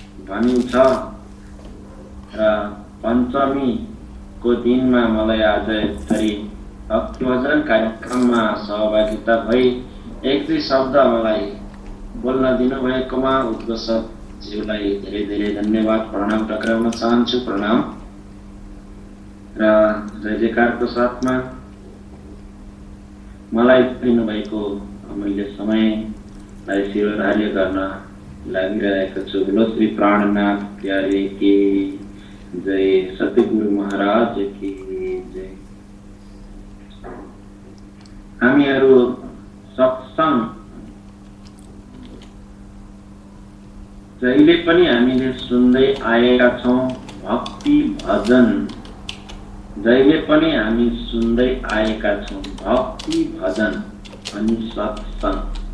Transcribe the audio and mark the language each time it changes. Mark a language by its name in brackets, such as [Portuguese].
[Nepali] भनिन्छ, र पञ्चमीको दिनमा मलाई आज यसरी भक्तिभजन कार्यक्रममा सहभागिता भई एक दुई शब्द मलाई बोल्न दिनुभएकोमा उद्घोषक ज्यूलाई धेरै धेरै धन्यवाद प्रणाम प्रकराउन चाहन्छु। प्रणाम र जय जयकारको साथमा मलाई दिनुभएको अमूल्य समयलाई शिरोधार्य गर्न लागिरहेको छु। [Hindi] श्री प्राणनाथ प्यारे के जय सतगुरु महाराज के जय। [Nepali] हामीहरू सत्सङ्ग जहिले पनि हामीले सुन्दै आएका छौँ, भक्ति भजन जहिले पनि हामी सुन्दै आएका छौँ, भक्ति भजन अनि सत्सङ्ग।